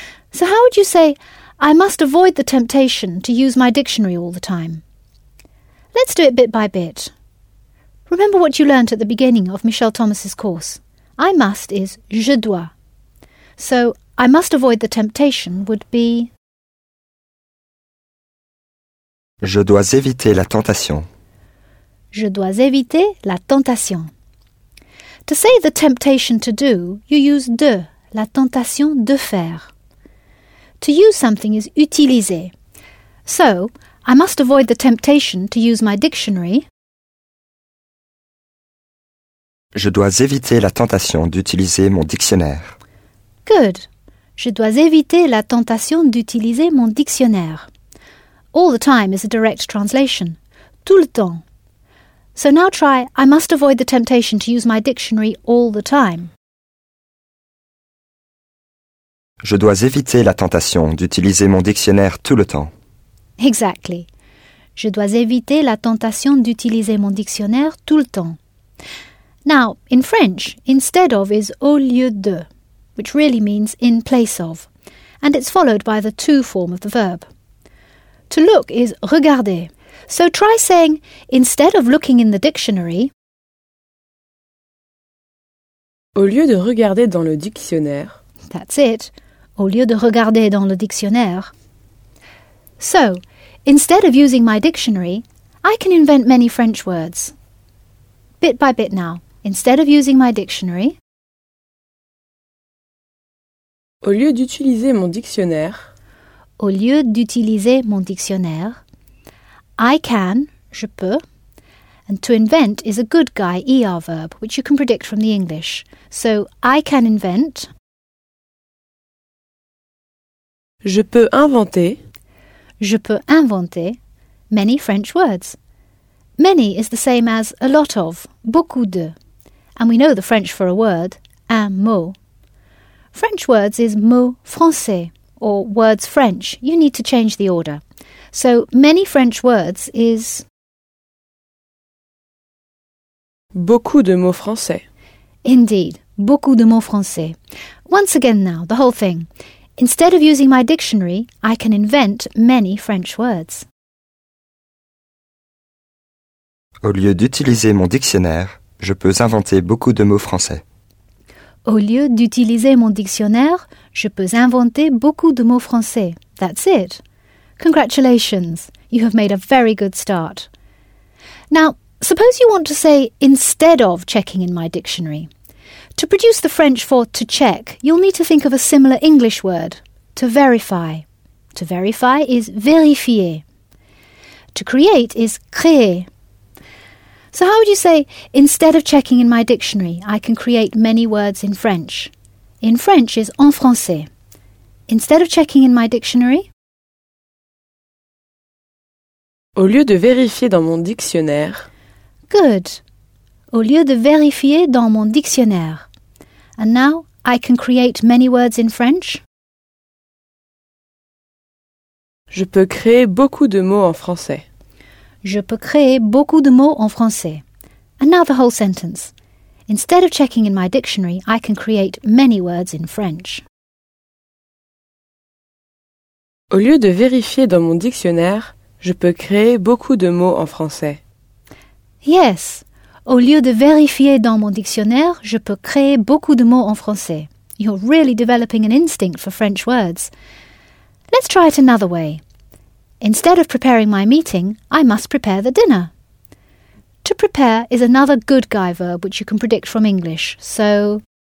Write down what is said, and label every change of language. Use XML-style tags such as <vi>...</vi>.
<en>So how would you say, I must avoid the temptation to use my dictionary all the time? Let's do it bit by bit. Remember what you learnt at the beginning of Michel Thomas's course. I must is</en> <fr>je dois.</fr> <en>So I must avoid the temptation would be...</en> <fr>Je dois éviter la tentation. Je dois éviter la tentation.</fr> <en>To say the temptation to do, you use de.</en> <fr>La tentation de faire.</fr> <en>To use something is utiliser. So, I must avoid the temptation to use my dictionary.</en> <fr>Je dois éviter la tentation d'utiliser mon dictionnaire.</fr> <en>Good.</en> <fr>Je dois éviter la tentation d'utiliser mon dictionnaire.</fr> <en>All the time is a direct translation.</en> <fr>Tout le temps.</fr> <en>So now try, I must avoid the temptation to use my dictionary all the time.</en> <fr>Je dois éviter la tentation d'utiliser mon dictionnaire tout le temps.</fr> <en>Exactly.</en> <fr>Je dois éviter la tentation d'utiliser mon dictionnaire tout le temps.</fr> <en>Now, in French, instead of is</en> <fr>au lieu de,</fr> <en>which really means in place of, and it's followed by the to form of the verb. To look is regarder. So try saying, instead of looking in the dictionary,</en> <fr>au lieu de regarder dans le dictionnaire.</fr> <en>That's it.</en> <fr>Au lieu de regarder dans le dictionnaire.</fr> <en>So, instead of using my dictionary, I can invent many French words. Bit by bit now. Instead of using my dictionary,</en> <fr>au lieu d'utiliser mon dictionnaire, au lieu d'utiliser mon dictionnaire,</fr> <en>I can,</en> <fr>je peux,</fr> <en>and to invent is a good guy ER verb, which you can predict from the English. So, I can invent...</en> <fr>Je peux inventer. Je peux inventer</fr> <en>many French words. Many is the same as a lot of,</en> <fr>beaucoup de.</fr> <en>And we know the French for a word, un mot. French words is</en> <fr>mots français,</fr> <en>or words French. You need to change the order. So many French words is...</en> <fr>Beaucoup de mots français. Indeed, beaucoup de mots français.</fr> <en>Once again now, the whole thing. Instead of using my dictionary, I can invent many French words.</en> <fr>Au lieu d'utiliser mon dictionnaire, je peux inventer beaucoup de mots français. Au lieu d'utiliser mon dictionnaire, je peux inventer beaucoup de mots français.</fr> <en>That's it. Congratulations. You have made a very good start. Now, suppose you want to say instead of checking in my dictionary. To produce the French for to check, you'll need to think of a similar English word, to verify. To verify is vérifier. To create is créer. So how would you say, instead of checking in my dictionary, I can create many words in French? In French is</en> <fr>en français.</fr> <en>Instead of checking in my dictionary?</en> <fr>Au lieu de vérifier dans mon dictionnaire.</fr> <en>Good.</en> <fr>Au lieu de vérifier dans mon dictionnaire.</fr> <en>And now, I can create many words in French.</en> <fr>Je peux créer beaucoup de mots en français. Je peux créer beaucoup de mots en français.</fr> <en>And now the whole sentence. Instead of checking in my dictionary, I can create many words in French.</en> <fr>Au lieu de vérifier dans mon dictionnaire, je peux créer beaucoup de mots en français.</fr> <en>Yes.</en> <fr>Au lieu de vérifier dans mon dictionnaire, je peux créer beaucoup de mots en français.</fr> <en>You're really developing an instinct for French words. Let's try it another way. Instead of preparing my meeting, I must prepare the dinner. To prepare is another good guy verb which you can predict from English. So...</en>